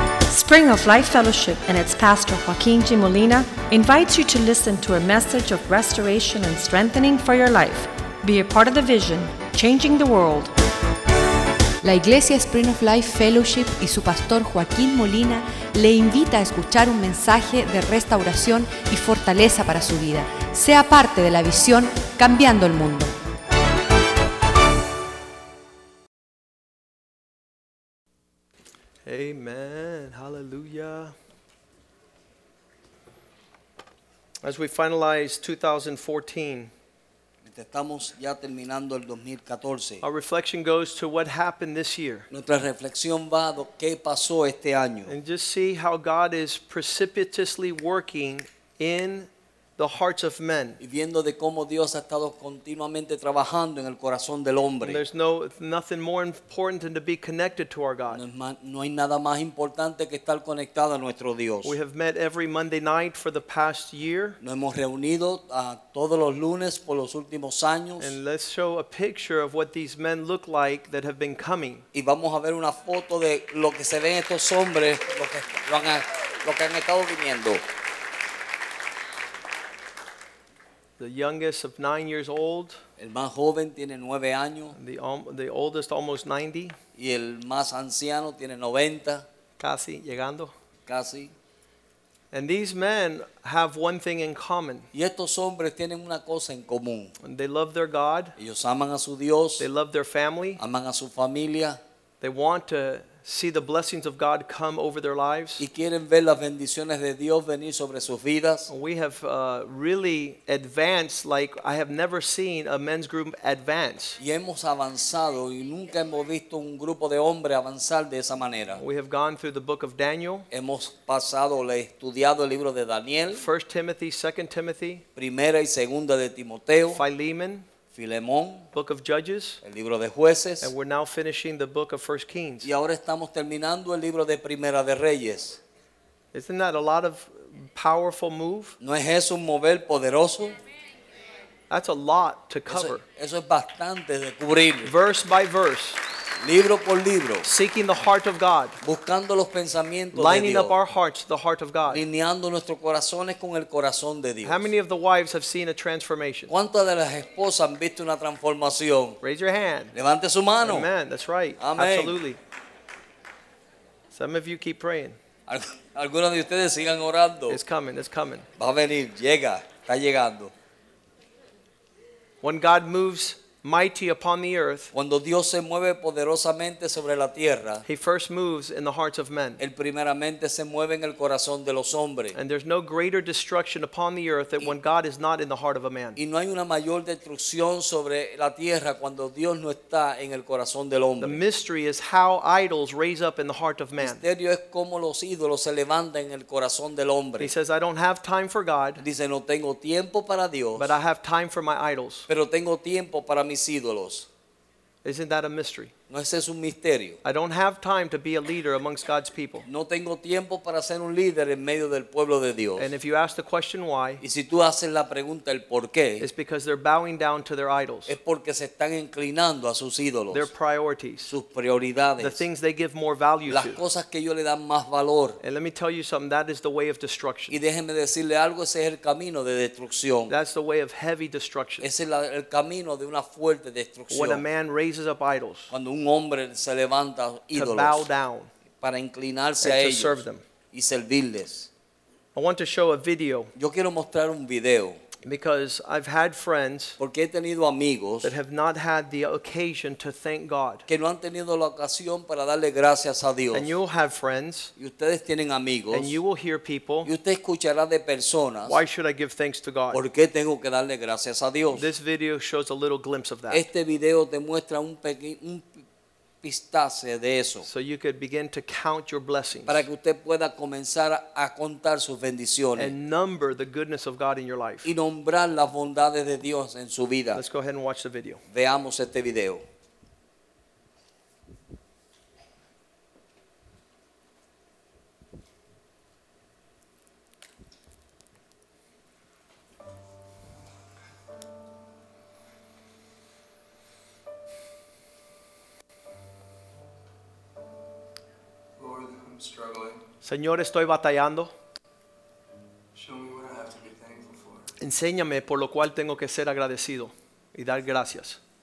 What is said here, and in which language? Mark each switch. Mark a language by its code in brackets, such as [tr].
[en] Spring of Life Fellowship and its pastor, Joaquin G. Molina, invites you to listen to a message of restoration and strengthening for your life. Be a part of the vision, changing the world. [es] La Iglesia Spring of Life Fellowship y su pastor, Joaquin Molina, le invita a escuchar un mensaje de restauración y fortaleza para su vida. Sea parte de la visión Cambiando el Mundo. [en] Amen. Hallelujah. As we finalize 2014, [es] estamos ya terminando el 2014, [en] our reflection goes to what happened this year. [es] Nuestra reflexión va a qué pasó este año. [en] And just see how God is precipitously working in the hearts of men. [es] Y viendo de cómo Dios ha estado continuamente trabajando en el corazón del hombre. [en] There's nothing more important than to be connected to our God. [es] No hay nada más importante que estar conectado a nuestro Dios. [en] We have met every Monday night for the past year. [es] Nos hemos reunido todos los lunes por los últimos años. [en] And let's show a picture of what these men look like that have been coming. [es] Y vamos a ver una foto de lo que se ven estos hombres, lo que han estado viniendo. [en] The youngest of 9 years old. [es] El más joven tiene 9 años. [en] The oldest almost 90. [es] Y el más anciano tiene 90. Casi llegando. Casi. [en] And these men have one thing in common. [es] Y estos hombres tienen una cosa en común. [en] They love their God. [es] Ellos aman a su Dios. [en] They love their family. [es] Aman a su familia. [en] They want to see the blessings of God come over their lives. [es] Y quieren ver las bendiciones de Dios venir sobre sus vidas. [en] We have really advanced like I have never seen a men's group advance. [es] Y hemos avanzado y nunca hemos visto un grupo de hombres avanzar de esa manera. [en] We have gone through the book of Daniel. [es] Hemos pasado, le estudiado el libro de Daniel. [en] 1 Timothy, 2 Timothy. [es] Primera y segunda de Timoteo. [en] Philemon. [es] Filemón, [en] Book of Judges, [es] el libro de jueces, [en] and we're now finishing the book of 1 Kings. [es] Y ahora estamos terminando el libro de Primera de Reyes. [en] Isn't that a lot of powerful move? [es] ¿No es eso un mover poderoso? [en] That's a lot to cover. [es] Eso es bastante de cubrir. [en] Verse by verse. [es] Libro por libro. [en] Seeking the heart of God. [es] Buscando los pensamientos [en] lining [es] de Dios. [en] Up our hearts to the heart of God. [es] Lineando nuestros corazones con el corazón de Dios. [en] How many of the wives have seen a transformation? [es] ¿Cuántas de las esposas han visto una transformación? [en] Raise your hand. [es] Levante su mano. [en] Amen. That's right. [es] Amen. [en] Absolutely. Some of you keep praying. [es] Algunos de ustedes sigan orando. [en] It's coming. It's coming. [es] Va a venir. Llega. Está llegando. [en] When God moves mighty upon the earth. [es] Cuando Dios se mueve poderosamente sobre la tierra. [en] He first moves in the hearts of men. [es] Él primeramente se mueve en el corazón de los hombres. [en] And there's no greater destruction upon the earth than when God is not in the heart of a man. [es] Y no hay una mayor destrucción sobre la tierra cuando Dios no está en el corazón del hombre. [en] The mystery is how idols raise up in the heart of man. [es] El misterio es cómo los ídolos se levantan en el corazón del hombre. [en] He says, "I don't have time for God." [es] Dice, "No tengo tiempo para Dios." [en] But I have time for my idols. [es] Pero tengo tiempo para mis ídolos. [en] Isn't that a mystery? [es] No, ese es un misterio. [en] I don't have time to be a leader amongst God's people. [es] No tengo tiempo para ser un líder en medio del pueblo de Dios. [en] And if you ask the question why, [es] y si tú haces la pregunta el por qué, [en] it's because they're bowing down to their idols. [es] Es porque se están inclinando a sus ídolos. [en] Their priorities. [es] Sus prioridades. [en] The things they give more value [es] las [en] to. [es] Las cosas que ellos le dan más valor. [en] And let me tell you something, that is the way of destruction. [es] Y déjeme decirle algo, ese es el camino de destrucción. [en] That's the way of heavy destruction. [es] Ese es el camino de una fuerte destrucción. [en] When a man raises up idols. [es] Cuando un hombre se levanta ídolos [en] to bow down [es] para inclinarse [en] and [es] a ellos [en] serve them. [es] Y servirles. [en] I want to show a video. [es] Yo quiero mostrar un video. [en] Because I've had friends [es] porque he tenido amigos [en] that have not had the occasion to thank God. [es] Que no han tenido la ocasión para darle gracias a Dios. [en] And you'll have friends [es] y ustedes tienen amigos [en] and you will hear people [es] y usted escuchará de personas [en] why should I give thanks to God? [es] Por qué tengo que darle gracias a Dios. [en] This video shows a little glimpse of that. [es] Este video te muestra un pistace de eso. [en] So you could begin to count your blessings. [es] Para que usted pueda comenzar a contar sus bendiciones. [en] And number the goodness of God in your life. [es] Y nombrar las bondades de Dios en su vida. [en] Let's go ahead and watch the video. [es] Veamos este video. [en] Lord, I'm struggling. [es] Señor, estoy batallando. [en] Show me what I have to be thankful for. [es] Enséñame por lo cual tengo que ser agradecido y dar gracias.